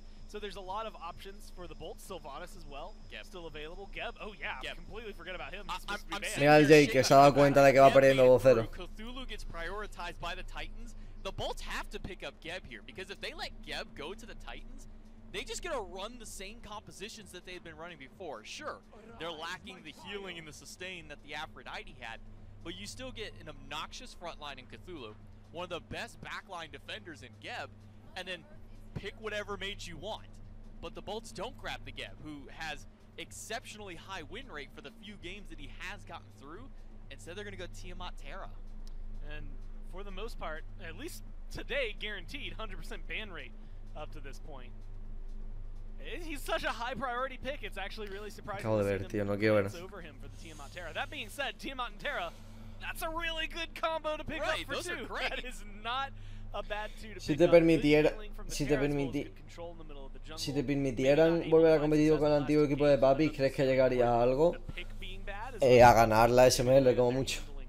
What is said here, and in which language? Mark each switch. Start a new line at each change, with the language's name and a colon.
English: So there's a lot of options for the Bolts. Sylvanas as well, Geb. Still available. Geb, oh yeah, Geb. Completely forget about him.
Spanish: Mira al Jake, que se ha dado cuenta de que va perdiendo 2-0.
English: Cthulhu gets prioritized by the Titans. The Bolts have to pick up Geb here, because if they let Geb go to the Titans, they just gonna run the same compositions that they've been running before. Sure, they're lacking the healing and the sustain that the Aphrodite had, but you still get an obnoxious frontline in Cthulhu, one of the best backline defenders in Geb, and then pick whatever mage you want, but the Bolts don't grab the Geb, who has exceptionally high win rate for the few games that he has gotten through. Instead, they're gonna go Tiamat Terra, and for the most part, at least today, guaranteed 100% ban rate up to this point. He's such a high priority pick, it's actually really surprising to see him over him for the Tiamat Terra. That being said, Tiamat and Terra, that's a really good combo to pick right, up for those two. Are great. That is not a bad two to
Spanish: si te permitiera, si te permitiera, si te permitieran volver a competir con el antiguo equipo de Papi, ¿crees que llegaría a algo? A ganar la SML como mucho.